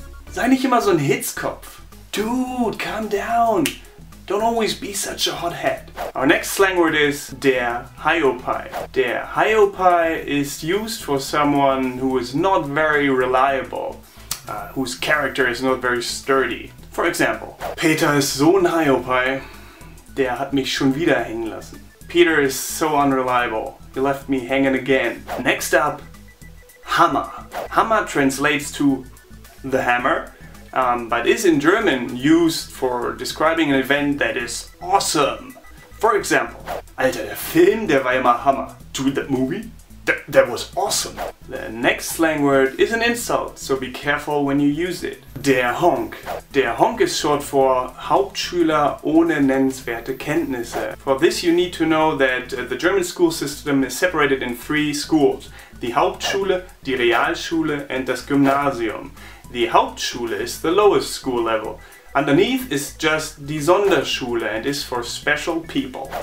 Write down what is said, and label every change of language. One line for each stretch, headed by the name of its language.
German: Sei nicht immer so ein Hitzkopf.
English: Dude, calm down. Don't always be such a hothead. Our next slang word is der Haiopei. Der Haiopei is used for someone who is not very reliable, whose character is not very sturdy. For example,
German: Peter ist so ein Haiopei, der hat mich schon wieder hängen lassen.
English: Peter is so unreliable. He left me hanging again. Next up, Hammer. Hammer translates to the hammer, but is in German used for describing an event that is awesome. For example,
German: Alter, der Film, der war immer Hammer.
English: Dude, that movie? That was awesome. The next slang word is an insult, so be careful when you use it.
German: Der Honk.
English: Der Honk is short for
German: Hauptschüler ohne nennenswerte Kenntnisse.
English: For this you need to know that the German school system is separated in three schools. The Hauptschule, die Realschule and das Gymnasium. The Hauptschule is the lowest school level. Underneath is just die Sonderschule and is for special people.